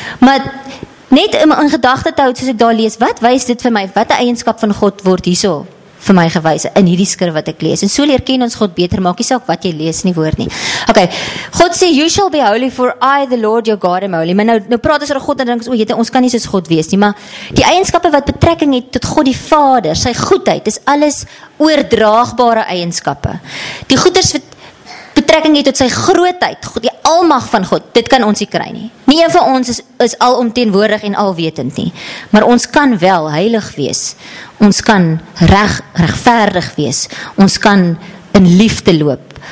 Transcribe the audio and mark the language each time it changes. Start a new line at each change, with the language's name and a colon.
Afrikaans: Maar net in gedagte te hou, soos ek daar lees, wat wys dit vir my, wat die eienskap van God word hierso vir my gewys in hierdie skrif wat ek lees. En so leer ken ons God beter, maak nie saak wat jy lees in die woord nie.
English: Okay,
Afrikaans: God sê,
English: you shall be holy for I the Lord your God am holy.
Afrikaans: Maar nou praat ons oor God en dink ons, jy, ons kan nie soos God wees nie, maar die eienskappe wat betrekking het tot God die Vader, sy goedheid, is alles oordraagbare eienskappe. Die goeders wat betrekking het tot sy grootheid, God, die almag van God, dit kan ons nie kry nie. Nie een van ons is alomteenwoordig en alwetend nie, maar ons kan wel heilig wees, ons kan regverdig wees, ons kan in liefde loop.